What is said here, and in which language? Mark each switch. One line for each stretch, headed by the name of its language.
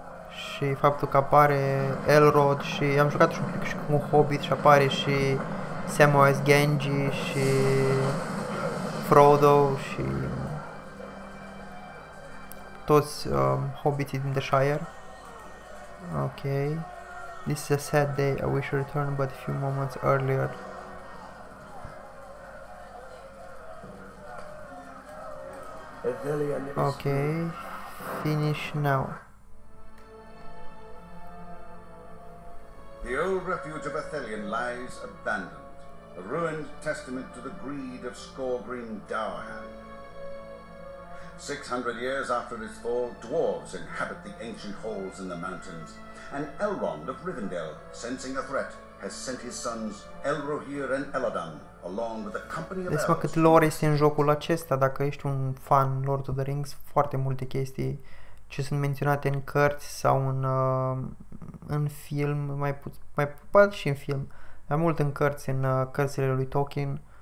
Romanian: Și faptul că apare Elrod și am jucat și un pic și cu un Hobbit și apare și Samwise Genji și Frodo și toți hobbiții din The Shire.
English: Ok. This is a sad day. I wish to return but a few moments earlier. Ok. Finish now. The old refuge of Athelion lies abandoned, a ruined testament to the greed of Skorgrim Dourhand. 600 years after its fall, dwarves inhabit the ancient halls in the mountains, and Elrond of Rivendell, sensing a threat, has sent his sons Elrohir and Elladan along with a company of elves.
Romanian: Vezi cât lore este în jocul acesta, dacă ești un fan Lord of the Rings, foarte multe chestii ce sunt menționate în cărți sau în, în film, mai poate și în film, mai mult în cărți, în cărțile lui Tolkien.